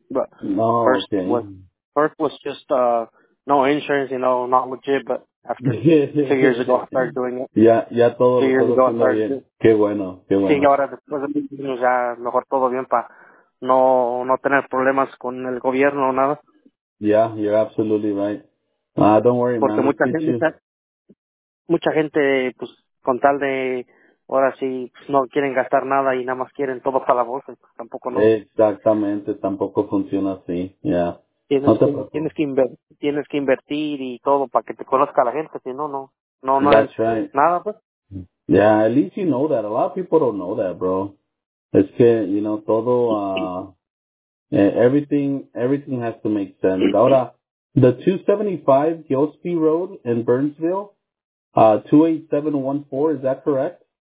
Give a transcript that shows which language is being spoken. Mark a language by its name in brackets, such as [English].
[English] But first was just no insurance, you know, not legit. But after 2 years ago, I started doing it. [Spanish] Qué bueno. Sí, ahora después de mejor todo bien para no tener problemas con el gobierno o nada. [English] Yeah, you're absolutely right. Don't worry, [Spanish] porque [English] man. [Spanish] Mucha gente, pues, con tal de, ahora sí, pues, no quieren gastar nada y nada más quieren todo para la bolsa, pues, tampoco no. Exactamente, tampoco funciona así, ya. Yeah. Tienes que invertir y todo para que te conozca la gente, si no [English] That's [Spanish] hay [English] right. [Spanish] nada, pues. [English] Yeah, at least you know that. A lot of people don't know that, bro. [Spanish] Es que, [English] you know, todo, everything has to make sense. Ahora, the 275 Gillespie Road in Burnsville, 28714, is that correct?